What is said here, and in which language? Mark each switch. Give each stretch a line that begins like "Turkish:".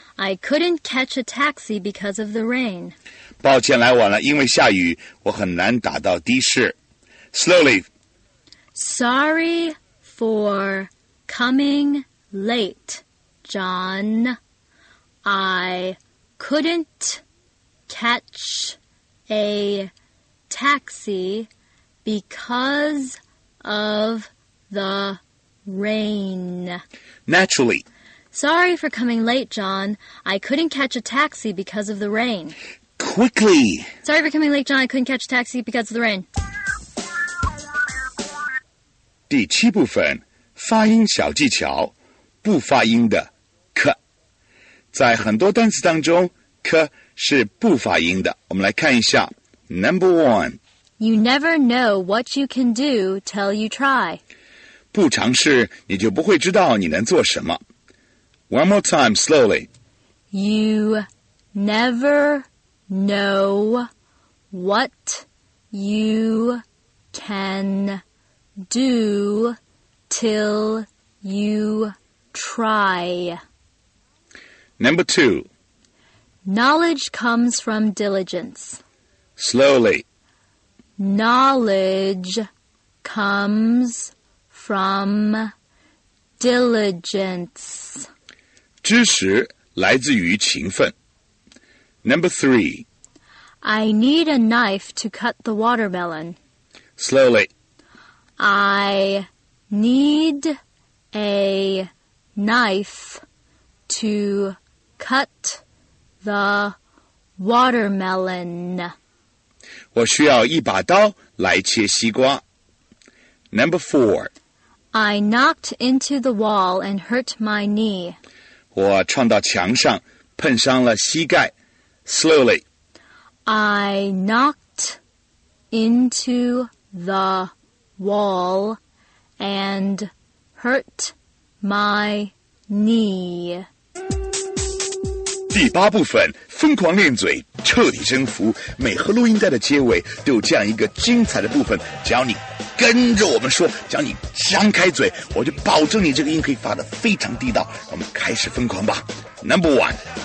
English: I couldn't catch a taxi because of the rain.
Chinese: 抱歉来晚了，因为下雨，我很难打到的士。
English: Slowly. Sorry for coming late, John. I couldn't catch a taxi because of the rain. Naturally. Sorry for coming late, John. I couldn't catch a taxi because of the rain. Quickly. Sorry for coming late, John. I couldn't catch a taxi because of the rain.
Chinese: 第七部分，发音小技巧，不发音的 k， 在很多单词当中 ，k 是不发音的。我们来看一下 ，
English: Number one. You never know what you can do till you try.
Chinese: 不尝试，你就不会知道你能做什么。
English: One more time, slowly. You never know what you can do till you try. Number two. Knowledge comes from diligence. Slowly. Knowledge comes from diligence.
Chinese: 知识来自于勤奋。
English: Number three. I need a knife to cut the watermelon. Slowly. I need a knife to cut the watermelon.
Chinese: 我需要一把刀来切西瓜。
English: Number four. I knocked into the wall and hurt my knee.
Chinese: 我撞到墙上，碰伤了膝盖。
English: Slowly. I knocked into the wall and hurt my knee.
Chinese: 第八部分，疯狂练嘴，彻底征服。每盒录音带的结尾都有这样一个精彩的部分，只要你跟着我们说，只要你张开嘴，我就保证你这个音可以发得非常地道。我们开始疯狂吧。
English: Number one,